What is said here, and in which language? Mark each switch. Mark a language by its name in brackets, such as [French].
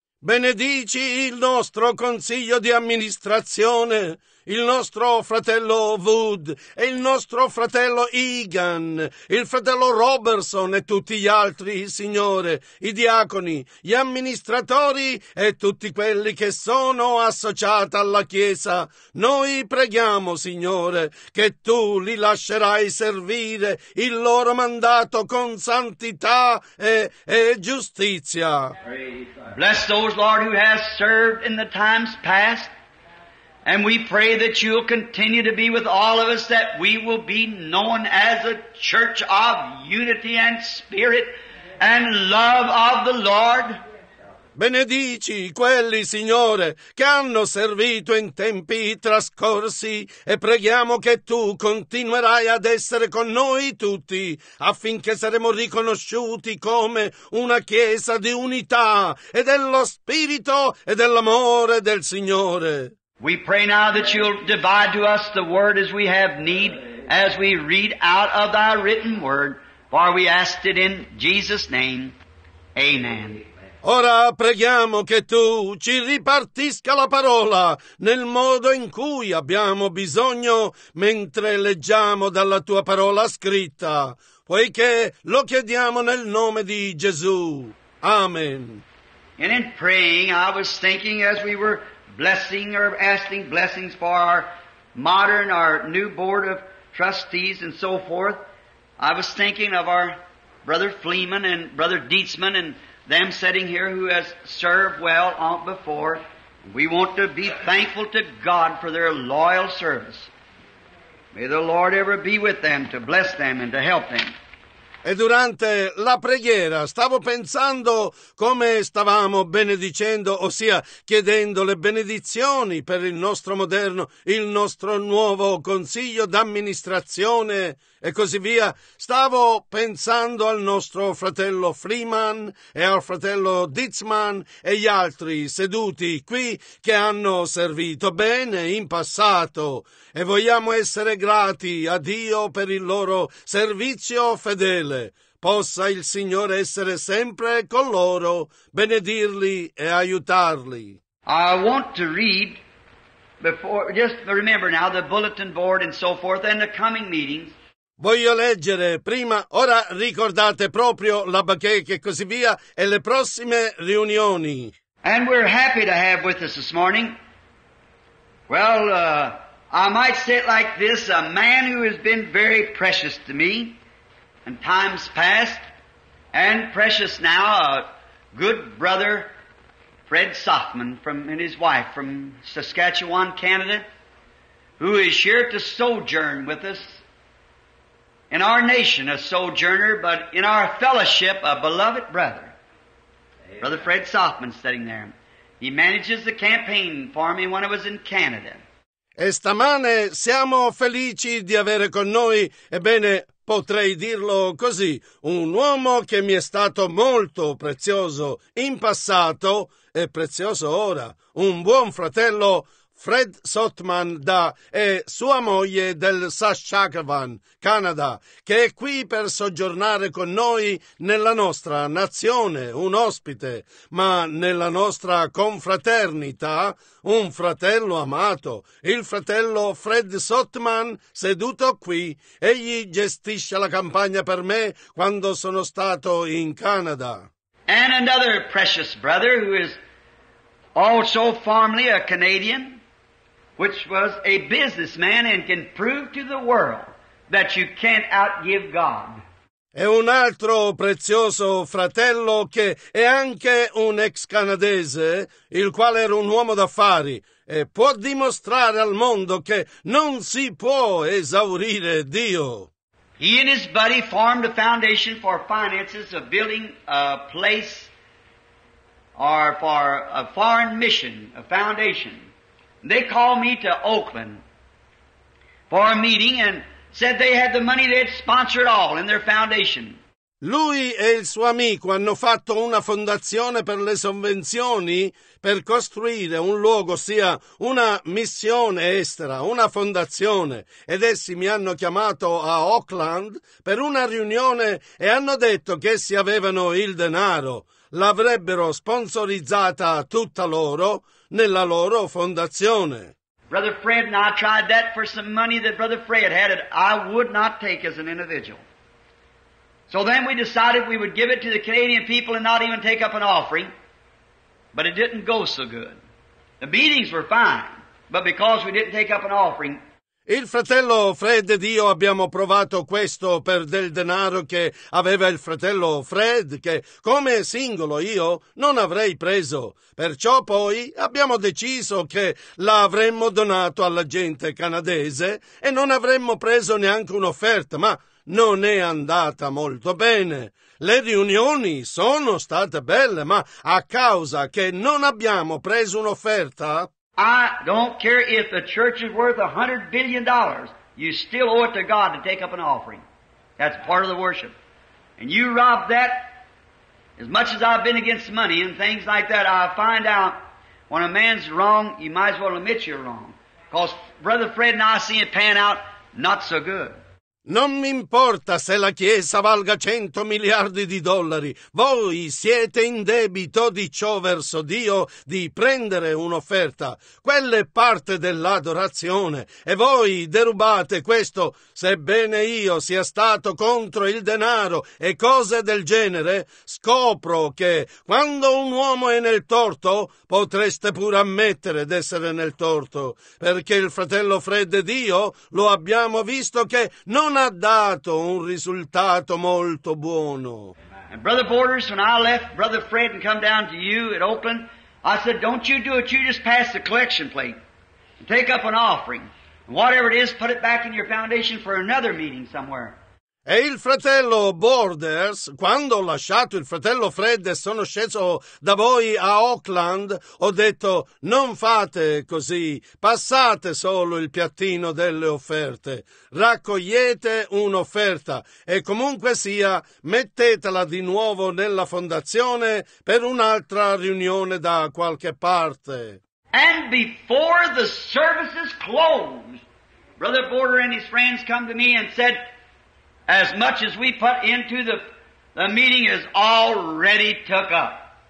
[Italian] Benedici il nostro consiglio di amministrazione, il nostro fratello Wood e il nostro fratello Egan, il fratello Robertson e tutti gli altri, Signore, i diaconi, gli amministratori e tutti quelli che sono associati alla Chiesa. Noi preghiamo, Signore, che Tu li lascerai servire il loro mandato con santità e giustizia. [English] Bless those, Lord, who have served in the times past. And we pray that you'll continue to be with all of us, that we will be known as a church of unity and spirit and love of the Lord. [Italian] Benedici quelli, Signore, che hanno servito in tempi trascorsi e preghiamo che tu continuerai ad essere con noi tutti affinché saremo riconosciuti come una chiesa di unità e dello spirito e dell'amore del Signore. [English] We pray now that you'll divide to us the word as we have need, as we read out of thy written word, for we ask it in Jesus' name. Amen. [Italian] Ora preghiamo che tu ci ripartisca la parola nel modo in cui abbiamo bisogno mentre leggiamo dalla tua parola scritta, poiché lo chiediamo nel nome di Gesù. Amen. [English] And in praying, I was thinking as we were blessing or asking blessings for our modern, our new board of trustees and so forth. I was thinking of our brother Fleeman and brother Dietzman and them sitting here who has served well on before. We want to be thankful to God for their loyal service. May the Lord ever be with them to bless them and to help them. [Italian] E durante la preghiera stavo pensando come stavamo benedicendo, ossia chiedendo le benedizioni per il nostro moderno, il nostro nuovo consiglio d'amministrazione e così via. Stavo pensando al nostro fratello Freeman e al fratello Dietzman e gli altri seduti qui che hanno servito bene in passato e vogliamo essere grati a Dio per il loro servizio fedele. Possa il Signore essere sempre con loro, benedirli e aiutarli. [English] I want to read before, just remember now, the bulletin board and so forth and the coming meetings. [Italian] Voglio leggere prima, ora ricordate proprio la bacheca e così via e le prossime riunioni. [English] And we're happy to have with us this morning. Well, I might say it like this, a man who has been very precious to me. And times past, and precious now, a good brother, Fred Soffman, and his wife from Saskatchewan, Canada, who is here to sojourn with us. In our nation, a sojourner, but in our fellowship, a beloved brother. Amen. Brother Fred Soffman sitting there. He manages the campaign for me when I was in Canada. [Italian] E stamane siamo felici di avere con noi, ebbene, potrei dirlo così, un uomo che mi è stato molto prezioso in passato e prezioso ora, un buon fratello, Fred Sotman da e sua moglie del Saskatchewan, Canada, che è qui per soggiornare con noi nella nostra nazione, un ospite, ma nella nostra confraternita, un fratello amato, il fratello Fred Sotman, seduto qui, egli gestisce la campagna per me quando sono stato in Canada. [English] And another precious brother who is also formerly a Canadian, which was a businessman and can prove to the world that you can't outgive God. [Italian] È un altro prezioso fratello che è anche un ex canadese, il quale era un uomo d'affari e può dimostrare al mondo che non si può esaurire Dio. [English] He and his buddy formed a foundation for finances of building a place or for a foreign mission, a foundation. They called me to Oakland for a meeting and said they had the money they'd sponsor it all in their foundation. [Italian] Lui e il suo amico hanno fatto una fondazione per le sovvenzioni per costruire un luogo, sia una missione estera, una fondazione. Ed essi mi hanno chiamato a Oakland per una riunione e hanno detto che essi avevano il denaro. L'avrebbero sponsorizzata tutta loro nella loro fondazione. [English] Brother Fred and I tried that for some money that Brother Fred had it I would not take as an individual. So then we decided we would give it to the Canadian people and not even take up an offering. But it didn't go so good. The meetings were fine, but because we didn't take up an offering. [Italian] Il fratello Fred ed io abbiamo provato questo per del denaro che aveva il fratello Fred, che come singolo io non avrei preso. Perciò poi abbiamo deciso che l'avremmo donato alla gente canadese e non avremmo preso neanche un'offerta, ma non è andata molto bene. Le riunioni sono state belle, ma a causa che non abbiamo preso un'offerta... [English] I don't care if the church is worth $100 billion, you still owe it to God to take up an offering. That's part of the worship. And you rob that, as much as I've been against money and things like that, I find out when a man's wrong, you might as well admit you're wrong. Because Brother Fred and I see it pan out not so good. [Italian] Non mi importa se la Chiesa valga 100 miliardi di dollari, voi siete in debito di ciò verso Dio di prendere un'offerta. Quella è parte dell'adorazione e voi derubate questo, sebbene io sia stato contro il denaro e cose del genere. Scopro che quando un uomo è nel torto, potreste pure ammettere d'essere nel torto, perché il fratello Fred e Dio lo abbiamo visto che non ha dato un risultato molto buono. [English] And Brother Borders, when I left Brother Fred and come down to you at Oakland, I said, don't you do it, you just pass the collection plate and take up an offering. And whatever it is, put it back in your foundation for another meeting somewhere. [Italian] E il fratello Borders, quando ho lasciato il fratello Fred e sono sceso da voi a Oakland, ho detto, non fate così, passate solo il piattino delle offerte, raccogliete un'offerta e comunque sia, mettetela di nuovo nella fondazione per un'altra riunione da qualche parte. [English] And before the services closed, Brother Border and his friends come to me and said, as much as we put into the meeting is already took up.